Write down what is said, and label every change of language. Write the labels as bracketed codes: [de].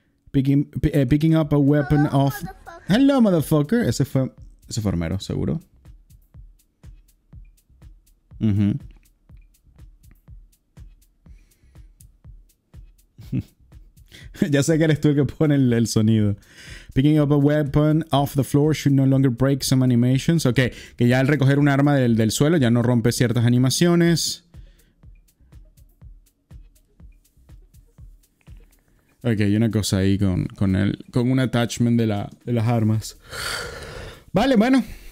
[en] Picking up a weapon off. Hello, motherfucker. [es] Ese fue armero, seguro. Uh-huh. Ya sé que eres tú el que pone el sonido. [en] Picking up a weapon off the floor should no longer break some animations. [es] Ok, que ya al recoger un arma del suelo ya no rompe ciertas animaciones. Ok, hay una cosa ahí con un attachment de las armas. Vale, bueno.